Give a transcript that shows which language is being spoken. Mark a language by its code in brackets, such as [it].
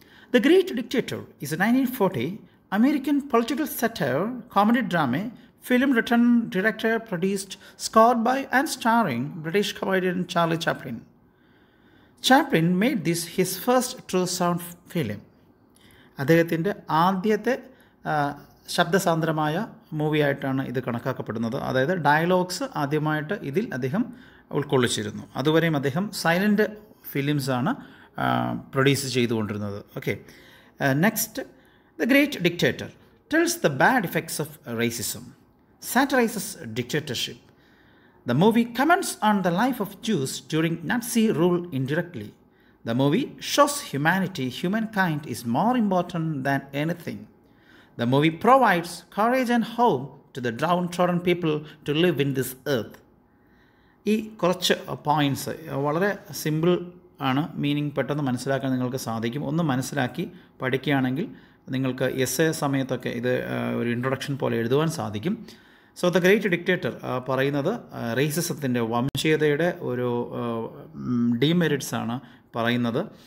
[en] The Great Dictator is a 1940 American political satire, comedy drama, film written, directed, produced, scored by and starring British comedian Charlie Chaplin. Chaplin made this his first true sound film. [ml] അദ്ദേഹത്തിൻ്റെ ആദ്യത്തെ ശബ്ദസാന്ദ്രമായ movie ആയിട്ടാണ് ഇത് കണക്കാക്കപ്പെടുന്നത്. അതായത് dialogues ആദ്യമായിട്ട് ഇതിൽ അദ്ദേഹം ഉൾക്കൊള്ളിച്ചിരുന്നു. അതുവരെയും അദ്ദേഹം സൈലൻ്റ് ഫിലിംസാണ് പ്രൊഡ്യൂസ് ചെയ്തുകൊണ്ടിരുന്നത്. Okay, next. [en] The Great Dictator tells the bad effects of racism, satirizes dictatorship. The movie comments on the life of Jews during Nazi rule indirectly. The movie shows humanity, humankind is more important than anything. The movie provides courage and hope to the downtrodden people to live in this earth. [ml] ഈ കുറച്ച് points വളരെ simple ആണ്, meaning പെട്ടെന്ന് മനസ്സിലാക്കാൻ നിങ്ങൾക്ക് സാധിക്കും. ഒന്ന് മനസ്സിലാക്കി പഠിക്കുകയാണെങ്കിൽ നിങ്ങൾക്ക് എസ് എ സമയത്തൊക്കെ ഇത് ഒരു ഇൻട്രൊഡക്ഷൻ പോലെ എഴുതുവാൻ സാധിക്കും. സോ ദ ഗ്രേറ്റ് ഡിക്റ്റേറ്റർ പറയുന്നത് റേസിസത്തിൻ്റെ, വംശീയതയുടെ ഒരു ഡീമെറിറ്റ്സ് ആണ് പറയുന്നത്.